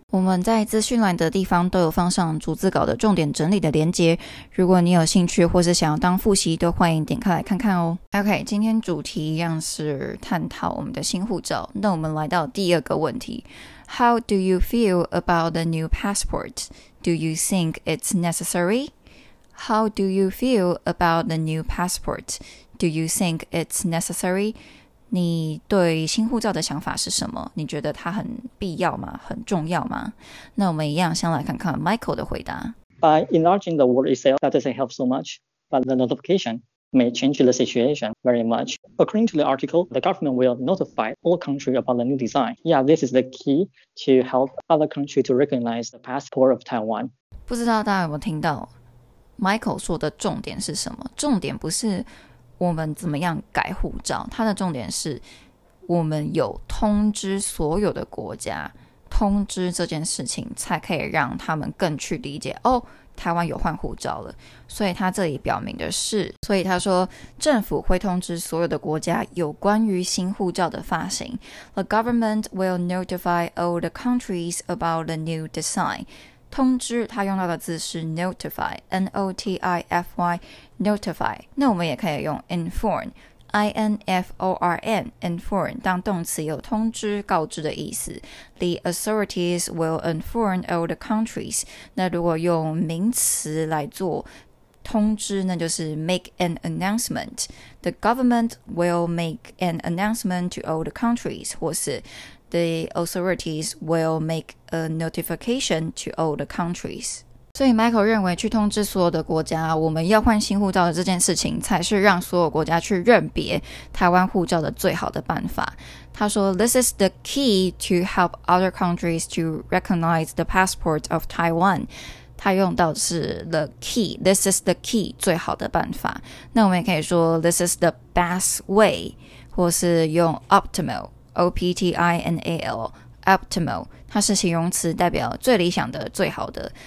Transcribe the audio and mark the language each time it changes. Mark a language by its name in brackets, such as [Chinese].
[Chinese] 我们在资讯栏的地方都有放上逐字稿的重点整理的连结，如果你有兴趣或是想要当复习，都欢迎点开来看看哦。 OK， 今天主题一样是探讨我们的新护照，那我们来到第二个问题。 [English] How do you feel about the new passport? Do you think it's necessary? How do you feel about the new passport? Do you think it's necessary? [Chinese] 你对新护照的想法是什么？你觉得它很必要吗？很重要吗？那我们一样先来看看 Michael 的回答。 [English] By enlarging the world itself, that doesn't help so much, but the notification may change the situation very much. According to the article, the government will notify all countries about the new design. Yeah, this is the key to help other countries to recognize the passport of Taiwan. [Chinese] 不知道大家有没有听到 Michael 说的重点是什么？重点不是我们怎么样改护照，他的重点是我们有通知所有的国家，通知这件事情才可以让他们更去理解哦，台湾有换护照了。所以他这里表明的是，所以他说政府会通知所有的国家有关于新护照的发行。 [English] The government will notify all the countries about the new design. [Chinese] 通知他用到的字是 notify, N-O-T-I-F-Y, notify. 那我们也可以用 inform, I-N-F-O-R-N, inform, 当动词有通知告知的意思。 [English] The authorities will inform all the countries. [Chinese] 那如果用名词来做通知，那就是 [English] make an announcement. The government will make an announcement to all the countries, [Chinese] 或是 [English] the authorities will make a notification to all the countries. [Chinese] 所以 Michael 认为去通知所有的国家我们要换新护照的这件事情才是让所有国家去认别台湾护照的最好的办法。他说 [English] This is the key to help other countries to recognize the passport of Taiwan. [Chinese] 他用到的是 [English] the key, this is the key, [Chinese] 最好的办法。那我们也可以说 [English] this is the best way, [Chinese] 或是用 optimal, O-P-T-I-N-A-L, optimal, 它是形容词，代表最理想的、最好的。